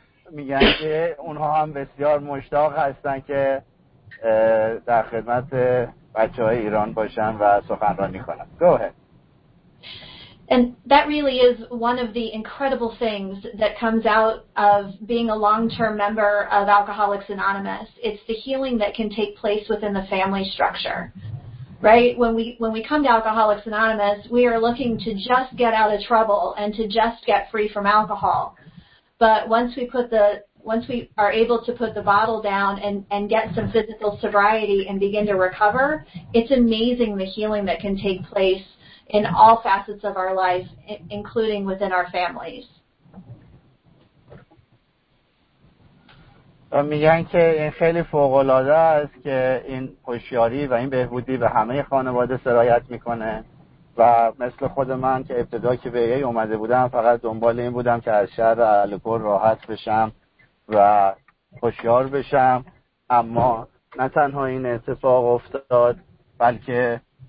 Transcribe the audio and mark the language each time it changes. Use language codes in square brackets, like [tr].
[fa] میگن که اونها هم بسیار مشتاق هستن که در خدمت بچه‌های ایران باشن و سخنرانی کنن. [en] Go ahead. And that really is one of the incredible things that comes out of being a long-term member of Alcoholics Anonymous. It's the healing that can take place within the family structure, right? When we come to Alcoholics Anonymous, we are looking to just get out of trouble and to just get free from alcohol. But once we are able to put the bottle down and get some physical sobriety and begin to recover, it's amazing the healing that can take place in all facets of our life, including within our families. [fa] میگن که این خیلی فوق‌العاده است که این هوشیاری و این بهبودی به همه خانواده سرایت میکنه و مثل خود من که ابتدا که به ای اومده بودم فقط دنبال این بودم که از شر الکل راحت بشم و هوشیار بشم، اما نه تنها این اتفاق افتاد بلکه